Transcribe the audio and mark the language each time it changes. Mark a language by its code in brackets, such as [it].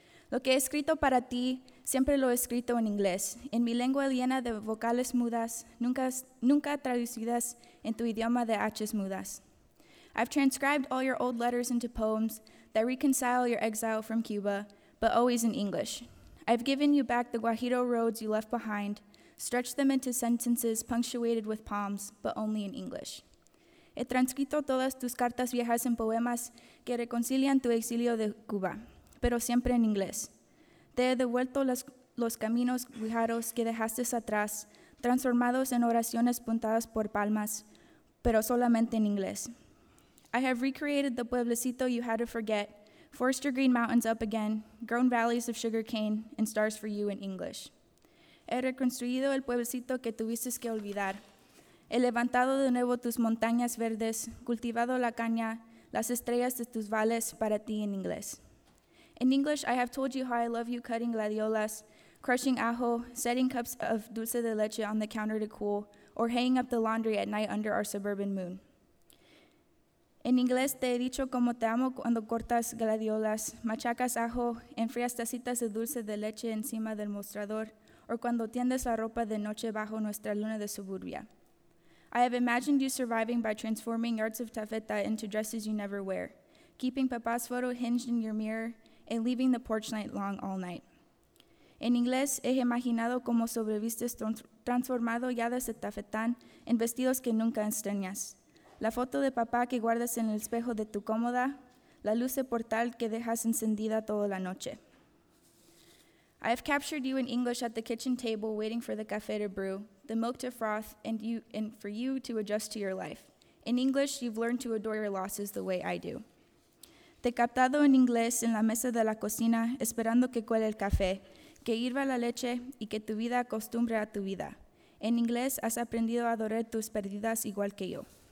[es] Lo que he escrito para ti, siempre lo he escrito en inglés, en mi lengua llena de vocales mudas, nunca traducidas en tu idioma de H's mudas. [en] I've transcribed all your old letters into poems that reconcile your exile from Cuba, but always in English. I've given you back the Guajiro roads you left behind, stretched them into sentences punctuated with palms, but only in English. [es] He transcrito todas tus cartas viejas en poemas que reconcilian tu exilio de Cuba, pero siempre en inglés. Te he devuelto los caminos guijaros que dejaste atrás, transformados en oraciones puntadas por palmas, pero solamente en inglés. [en] I have recreated the pueblecito you had to forget, forced your green mountains up again, grown valleys of sugar cane, and stars for you in English. [es] He reconstruido el pueblecito que tuviste que olvidar. He levantado de nuevo tus montañas verdes, cultivado la caña, las estrellas de tus valles para ti en inglés. [en] In English, I have told you how I love you cutting gladiolas, crushing ajo, setting cups of dulce de leche on the counter to cool, or hanging up the laundry at night under our suburban moon. [es] En inglés, te he dicho como te amo cuando cortas gladiolas, machacas ajo, enfrias tacitas de dulce de leche encima del mostrador, or cuando tiendes la ropa de noche bajo nuestra luna de suburbia. [en] I have imagined you surviving by transforming yards of tafeta into dresses you never wear, keeping papa's photo hinged in your mirror, and leaving the porch light long all night. [es] En inglés, he imaginado cómo sobrevistes transformado yadas de tafetán en vestidos que nunca enseñas. La foto de papá que guardas en el espejo de tu cómoda, la luz de portal que dejas encendida toda la noche. [en] I have captured you in English at the kitchen table waiting for the café to brew, the milk to froth, and for you to adjust to your life. In English, you've learned to adore your losses the way I do. [es] Te captado en inglés en la mesa de la cocina esperando que cuele el café, que hierva la leche y que tu vida acostumbre a tu vida. En inglés, has aprendido a adorar tus pérdidas igual que yo.